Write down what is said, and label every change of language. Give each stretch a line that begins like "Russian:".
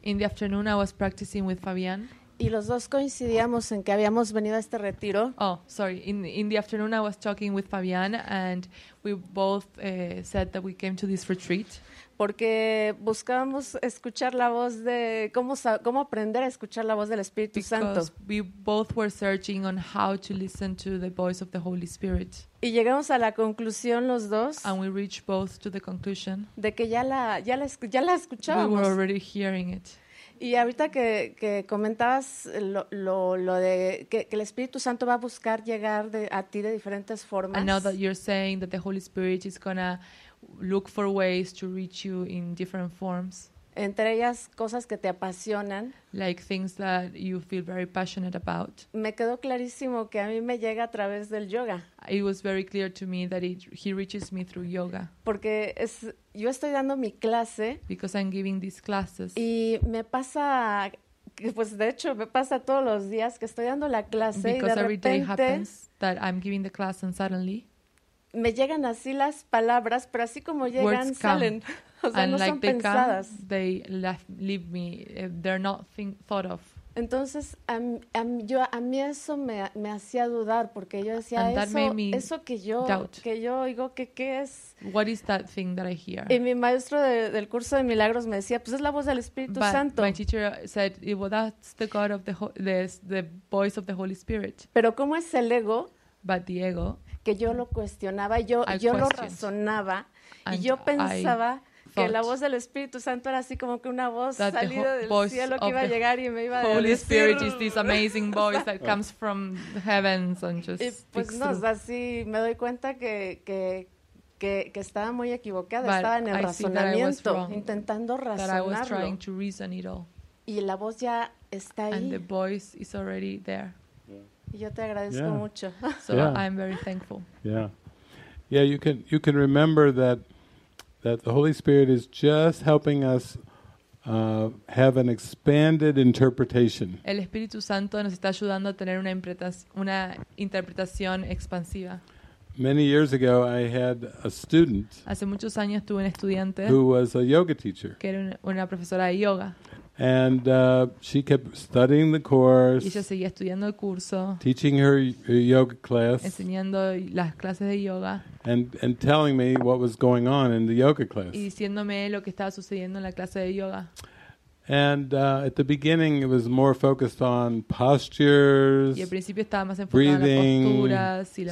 English: In the afternoon I was practicing with Fabián.
Spanish: Y los dos coincidíamos en que habíamos venido a este retiro.
English: Oh, sorry. In the afternoon I was talking with Fabián and we both said that we came to this retreat.
Spanish: Porque buscábamos escuchar la voz de cómo aprender a escuchar la voz del Espíritu Santo.
English: Because we both were searching on how to listen to the voice of the Holy Spirit.
Spanish: Y llegamos a la conclusión los dos.
English: And we reached both to the conclusion.
Spanish: De que ya la escuchábamos.
English: We were already hearing it.
Spanish: Y ahorita que comentabas lo de que el Espíritu Santo va a buscar llegar a ti de diferentes formas.
English: And now that you're saying that the Holy Spirit is gonna look for ways to reach you in different forms.
Spanish: Entre ellas cosas que te apasionan.
English: Like things that you feel very passionate about.
Spanish: Me quedó clarísimo que a mí me llega a través del yoga.
English: It was very clear to me that he reaches me through yoga.
Spanish: Porque yo estoy dando mi clase.
English: Because I'm giving these classes.
Spanish: Y me pasa, pues de hecho me pasa todos los días que estoy dando la clase y de repente.
English: Because every day happens that I'm giving the class and suddenly.
Spanish: Me llegan así las palabras, pero así como llegan,
English: words come.
Spanish: Salen. O sea,
English: and
Spanish: no
English: like
Spanish: son
English: they
Spanish: pensadas.
English: Come, they leave me. They're not thought of.
Spanish: Entonces, a mí eso me hacía dudar, porque yo decía, eso que yo digo, ¿qué es?
English: What is that thing that I hear?
Spanish: Y mi maestro del curso de milagros me decía, pues es la voz del Espíritu Santo.
English: My teacher said, well, that's the God of the voice of the Holy Spirit.
Spanish: Pero ¿cómo es el ego?
English: But the ego.
Spanish: Que yo lo cuestionaba, yo lo razonaba, y yo pensaba que la voz del Espíritu Santo era así como que una voz salida del cielo que iba a llegar y me iba a decir.
English: Holy Spirit is this amazing voice that comes from the heavens and just.
Spanish: Y pues no,
English: through.
Spanish: O sea, sí, me doy cuenta que estaba muy equivocada, estaba en el razonamiento, intentando razonarlo.
English: That I was trying to reason it all.
Spanish: Y la voz ya está ahí.
English: And the voice is already there.
Spanish: Y yo te agradezco mucho.
English: So yeah. I'm very thankful. Yeah, you can remember that the Holy Spirit is just helping us have an expanded interpretation.
Spanish: El Espíritu Santo nos está ayudando a tener una interpretación expansiva.
English: Many years ago I had a student.
Spanish: Hace muchos años tuve un estudiante.
English: Who was a yoga teacher.
Spanish: Que era una profesora de yoga.
English: And she kept studying the course.
Spanish: Y ella seguía estudiando el curso.
English: Teaching her yoga class.
Spanish: Enseñando las clases de yoga.
English: And telling me what was going on in the yoga class.
Spanish: Y diciéndome lo que estaba sucediendo en la clase de yoga.
English: And at the beginning it was more focused on postures.
Spanish: Y al principio estaba más enfocada en las posturas y la